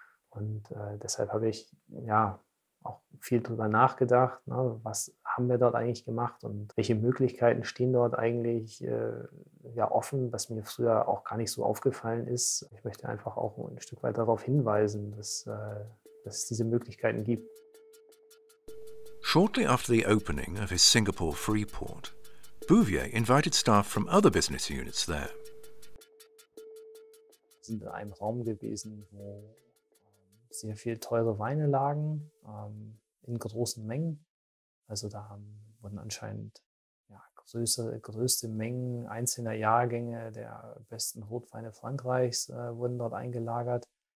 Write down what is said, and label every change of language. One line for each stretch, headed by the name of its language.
German: Und deshalb habe ich auch viel darüber nachgedacht, ne, was haben wir dort eigentlich gemacht und welche Möglichkeiten stehen dort eigentlich offen, was mir früher auch gar nicht so aufgefallen ist. Ich möchte einfach auch ein Stück weit darauf hinweisen, dass es diese Möglichkeiten gibt.
English: Shortly after the opening of his Singapore Freeport, Bouvier invited staff from other business units there.
German: Wir sind in einem Raum gewesen, wo sehr viel teure Weine lagen, in großen Mengen. Also da wurden anscheinend größte Mengen einzelner Jahrgänge der besten Rotweine Frankreichs wurden dort eingelagert.